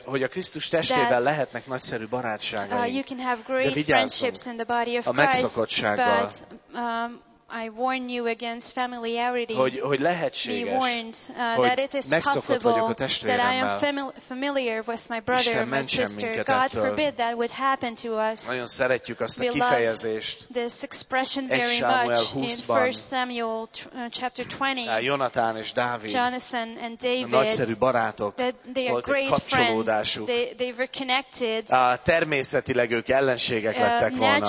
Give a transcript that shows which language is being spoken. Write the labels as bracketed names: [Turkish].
[Hungarian] hogy a Krisztus testében lehetnek nagyszerű barátságaink, [English] you can have great friendships in the body of [Hungarian] a megszokottsággal, [English] I warn you against familiarity. [Hungarian] Hogy lehetséges, [English] be warned that it is possible that I am familiar with my brother or my sister. God forbid that would happen to us. [Hungarian] Nagyon szeretjük azt a kifejezést. [English] This expression very much in 1 Samuel chapter 20. [Hungarian] Jonathan és Dávid. [English] Jonathan and David. [Hungarian] Nagyszerű barátok. [English] They are great friends. They were connected. [Hungarian] Természetileg ők ellenségek lettek volna.